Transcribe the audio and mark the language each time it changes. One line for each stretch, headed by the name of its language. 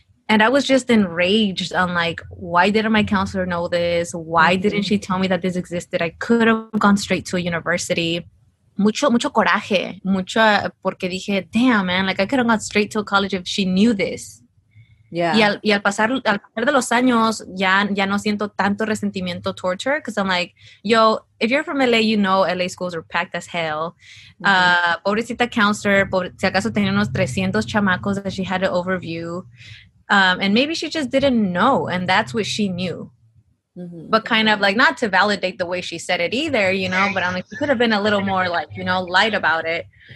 English: And I was just enraged on, like, why didn't my counselor know this? Why didn't she tell me that this existed? I could have gone straight to a university.
Spanish: Mucho coraje. Mucho, porque dije, damn, man.
English: Like, I could have gone straight to a college if she knew this. Yeah.
Spanish: Y al pasar de los años, ya no siento tanto resentimiento
English: towards her. Because I'm like, yo, if you're from LA, you know LA schools are packed as hell. Mm-hmm.
Spanish: Pobrecita counselor, si acaso tenía unos 300 chamacos
English: that she had to overview. And maybe she just didn't know, and that's what she knew. Mm-hmm. But kind of like, not to validate the way she said it either, you know, but I'm like, she could have been a little more like, you know, light about it.